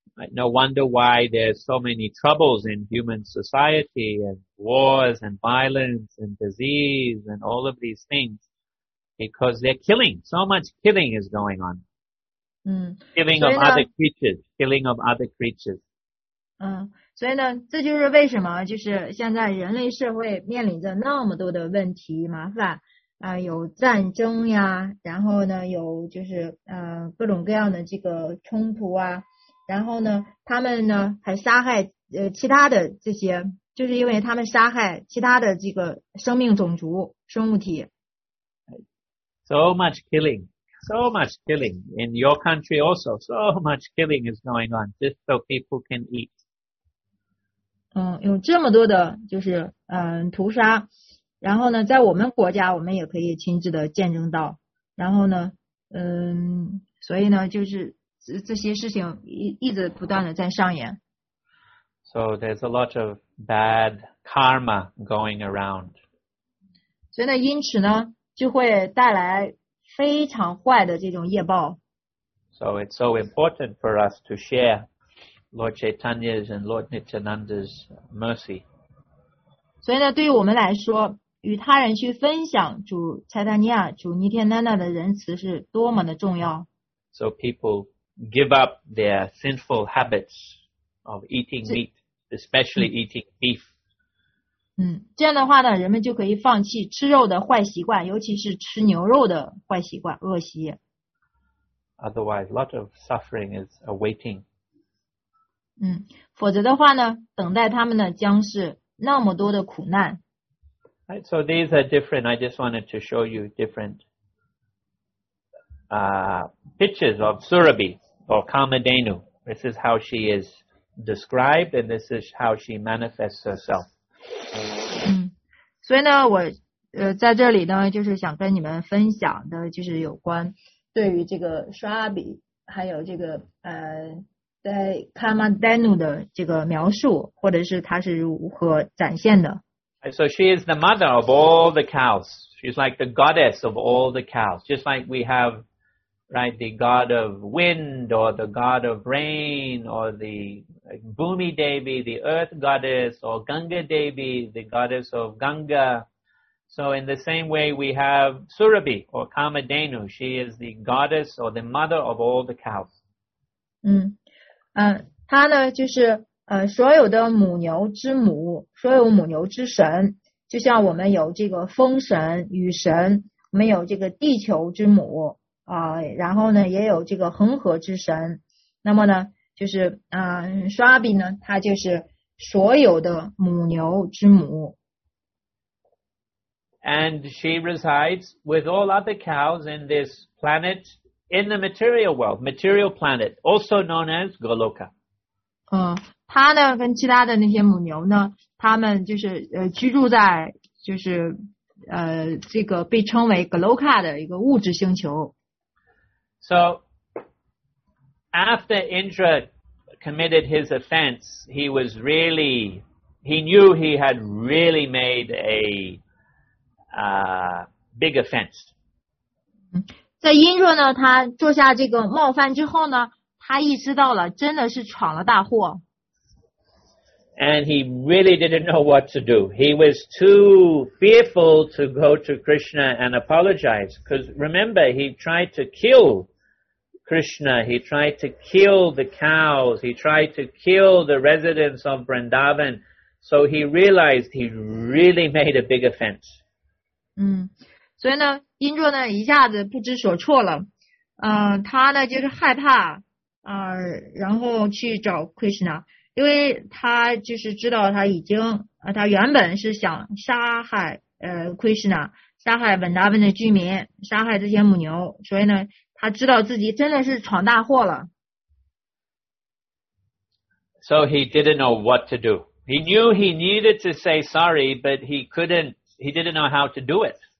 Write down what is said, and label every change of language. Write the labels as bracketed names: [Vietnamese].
[English] No wonder why there's so many troubles in human society andwars and violence and disease and all of these things because they're killing so much killing is going on killing of other creatures killing of other creatures [Chinese] 所以呢这就是为什么就是现在人类社会面临着那么多的问题麻烦有战争呀然后呢有就是各种各样的这个冲突啊然后呢他们呢还杀害其他的这些就是因为他们杀害其他的这个生命种族生物体。 [English] So much killing, so much killing in your country also, so much killing is going on just so people can eat. [Chinese] 有这么多的就是屠杀然后呢在我们国家我们也可以亲自的见证到然后呢所以呢就是 这些事情一直不断的在上演。 [English] So there's a lot of bad karma going around. [Chinese] 所以呢因此呢就会带来非常坏的这种业报。 [English] So it's so important for us to share Lord Chaitanya's and Lord Nityananda's mercy. [Chinese] 所以呢对于我们来说与他人去分享主 Chaitanya, 主 Nityananda 的仁慈是多么的重要。 [English] So people give up their sinful habits of eating meat. Especially eating beef. [Chinese] 这样的话呢人们就可以放弃吃肉的坏习惯尤其是吃牛肉的坏习惯恶习。 [English] Otherwise, a lot of suffering is awaiting. [Chinese] 否则的话呢等待他们呢将是那么多的苦难。 [English] Right, so these are different. I just wanted to show you different pictures of Surabhi or Kamadhenu. This is how she is described, and this is how she manifests herself. [Chinese] 所以呢，我在这里呢，就是想跟你们分享的，就是有关对于这个沙比，还有这个在卡玛丹努的这个描述，或者是他是如何展现的。 [English] So she is the mother of all the cows. She's like the goddess of all the cows, just like we have, right, the god of wind or the god of rain or the Bhumi Devi, the earth goddess, or Ganga Devi, the goddess of Ganga. So in the same way, we have Surabhi or Kamadhenu. She is the goddess or the mother of all the cows. [Chinese] 她呢就是所有的母牛之母，所有母牛之神，就像我们有这个风神、雨神，我们有这个地球之母然后呢也有这个恒河之神。那么呢就是Swabi 呢，他就是所有的母牛之母。 [English] And she resides with all other cows in this planet in the material world, material planet, also known as Goloka. [Chinese] 他呢跟其他的那些母牛呢，他们就是居住在就是这个被称为 Goloka 的一个物质星球。 [English] So after Indra committed his offense, he knew he had really made a big offense. [Chinese] 在因若呢，他做下这个冒犯之后呢，他意识到了真的是闯了大祸。 [English] And he really didn't know what to do. He was too fearful to go to Krishna and apologize. Because remember, he tried to kill Krishna, he tried to kill the cows, he tried to kill the residents of Vrindavan. So he realized he really made a big offense. [Chinese] 所以呢，因若呢一下子不知所措了，他呢就是害怕，然后去找 Krishna， 因为他就是知道他已经他原本是想杀害Krishna， 杀害 Vrindavan 的居民，杀害这些母牛，所以呢。他知道自己真的是闯大祸了。 [English] So he didn't know what to do. He knew he needed to say sorry, but he didn't know how to do it.